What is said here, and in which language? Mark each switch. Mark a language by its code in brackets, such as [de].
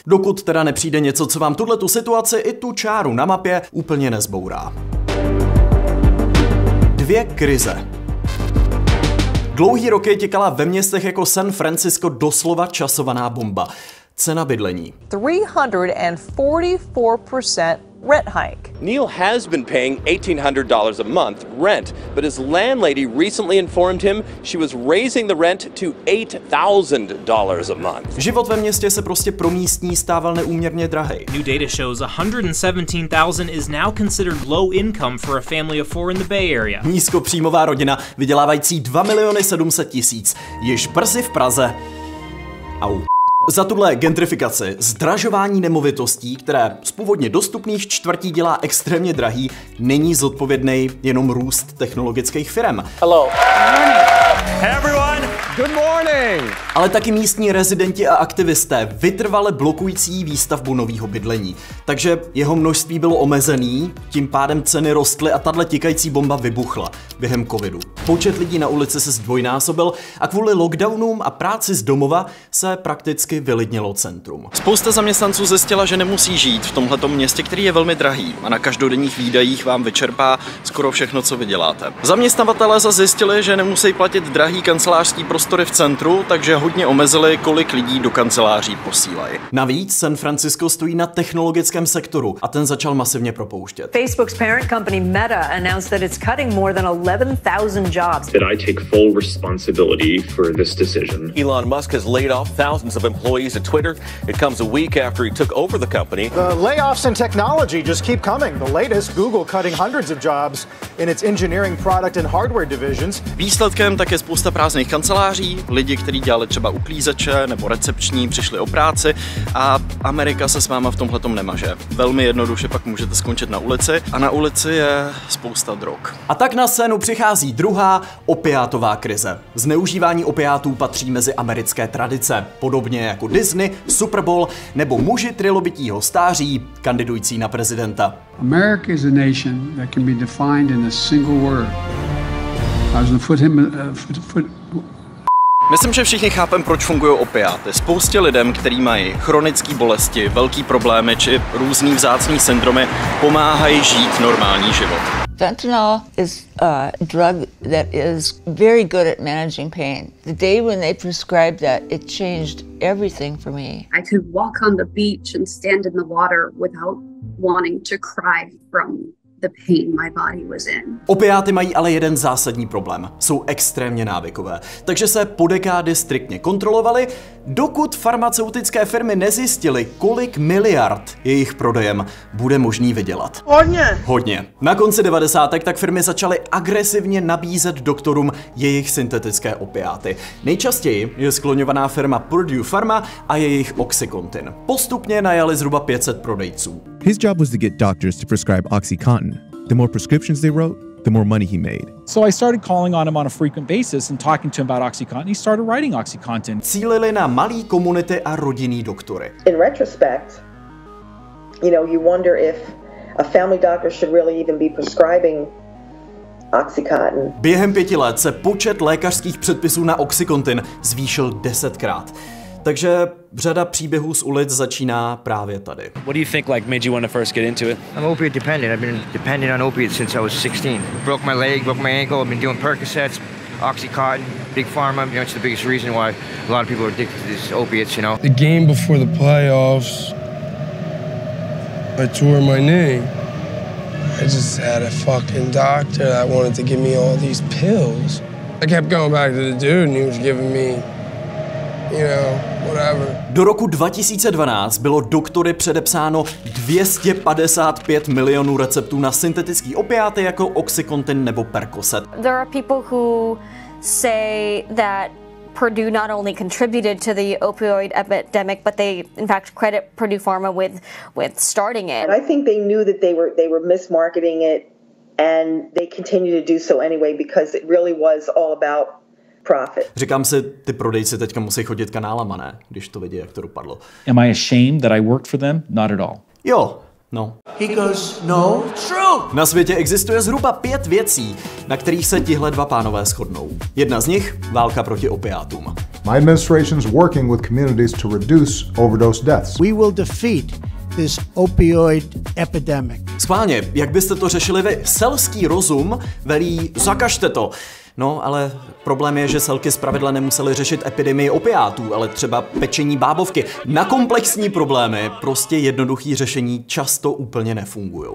[cs] Dokud teda nepřijde něco, co vám tuhletu situaci i tu čáru na mapě úplně nezbourá. Dvě krize. Dlouhý roky těkala ve městech jako San Francisco doslova časovaná bomba. Cena bydlení. [en] 344% rent hike. Neil has been paying $1,800 a month rent, but his landlady recently informed him she was raising the rent to $8,000 a month. [cs] Život ve městě se prostě pro místní stával neúměrně drahý. [en] New data shows $117,000 is now considered low income for a family of four in the Bay Area. [cs] Nízkopříjmová rodina vydělávající 2 miliony 700 tisíc. Již brzy v Praze. Au. Za tuhle gentrifikaci, zdražování nemovitostí, které z původně dostupných čtvrtí dělá extrémně drahý, není zodpovědný jenom růst technologických firm. [en] Hello. Hey everyone. Good morning. [cs] Ale taky místní rezidenti a aktivisté vytrvale blokující výstavbu nového bydlení. Takže jeho množství bylo omezený, tím pádem ceny rostly a tahle tikající bomba vybuchla během covidu. Počet lidí na ulici se zdvojnásobil a kvůli lockdownům a práci z domova se prakticky vylidnilo centrum. Spousta zaměstnanců zjistila, že nemusí žít v tomhle městě, který je velmi drahý a na každodenních výdajích vám vyčerpá skoro všechno, co vyděláte. Zaměstnavatelé zase zjistili, že nemusí platit drahý kancelářský prostory v centru. centru, takže hodně omezili, kolik lidí do kanceláří posílají. Navíc San Francisco stojí na technologickém sektoru a ten začal masivně propouštět. [en] Facebook's parent company Meta announced that it's cutting more than 11,000 jobs. Did I take full responsibility for this decision? Elon Musk has laid off thousands of employees at Twitter. It comes a week after he took over the company. The layoffs in technology just keep coming. The latest, Google cutting hundreds of jobs in its engineering product and hardware divisions. [cs] Výsledkem tak je spousta prázdných kanceláří, lidi, kteří dělali třeba uklízeče nebo recepční, přišli o práci a Amerika se s váma v tomhletom nemaže. Velmi jednoduše pak můžete skončit na ulici a na ulici je spousta drog. A tak na scénu přichází druhá opiátová krize. Zneužívání opiátů patří mezi americké tradice, podobně jako Disney, Super Bowl nebo muži trilobitího stáří, kandidující na prezidenta. [en] America is a nation that can be defined in a single word. [cs] Myslím, že všichni chápem, proč fungují opiáty. Spoustě lidem, kteří mají chronické bolesti, velký problémy či různý vzácný syndromy, pomáhají žít normální život. [en] Fentanyl is a drug that is very good at managing pain. The day when they prescribed that, it changed everything for me. I could walk on the beach and stand in the water without wanting to cry from the pain my body was in. [cs] Opiáty mají ale jeden zásadní problém. Jsou extrémně návykové. Takže se po dekády striktně kontrolovaly, dokud farmaceutické firmy nezjistily, kolik miliard jejich prodejem bude možný vydělat. Hodně. Na konci 90. tak firmy začaly agresivně nabízet doktorům jejich syntetické opiáty. Nejčastěji je skloňovaná firma Purdue Pharma a jejich OxyContin. Postupně najali zhruba 500 prodejců. [en] His job was to get doctors to prescribe OxyContin. The more prescriptions they wrote, the more money he made. So I started calling on him on a frequent basis and talking to him about OxyContin. He started writing OxyContin. [cs] Cílili na malé komunity a rodinní doktory. [en] In retrospect, you know, you wonder if a family doctor should really even be prescribing OxyContin. [cs] Během 5 let se počet lékařských předpisů na OxyContin zvýšil 10krát. Takže řada příběhů z ulic začíná právě tady. [en] What do you think like made you want to first get into it? I'm opiate dependent. I've been dependent on opiates since I was 16. Broke my leg, broke my ankle, I've been doing Percocets, OxyContin, Big Pharma, you know, it's the biggest reason why a lot of people are addicted to these opiates, you know. The game before the playoffs, I tore my knee. I just had a fucking doctor that wanted to give me all these pills. I kept going back to the dude and he was giving me, you know, [cs] do roku 2012 bylo doktory předepsáno 255 milionů receptů na syntetický opiáty jako OxyContin nebo Percocet. [en] There are people who say that Purdue not only contributed to the opioid epidemic, but they in fact credit Purdue Pharma with starting it. And I think they knew that they were mismarketing it and they continue to do so anyway because it really was all about profit. [cs] Říkám si, ty prodejci teďka musí chodit kanálama, ne? Když to vidí, jak to dopadlo. [en] Am I ashamed that I worked for them? Not at all. [cs] Jo, no. [en] He goes, no, true! [cs] Na světě existuje zhruba 5 věcí, na kterých se tihle dva pánové shodnou. Jedna z nich, válka proti opiátům. [en] My administration's working with communities to reduce overdose deaths. We will defeat this opioid epidemic. [cs] Schválně, jak byste to řešili vy? Selský rozum velí, zakažte to. No, ale problém je, že selky zpravidla nemusely řešit epidemii opiátů, ale třeba pečení bábovky. Na komplexní problémy prostě jednoduchý řešení často úplně nefungují.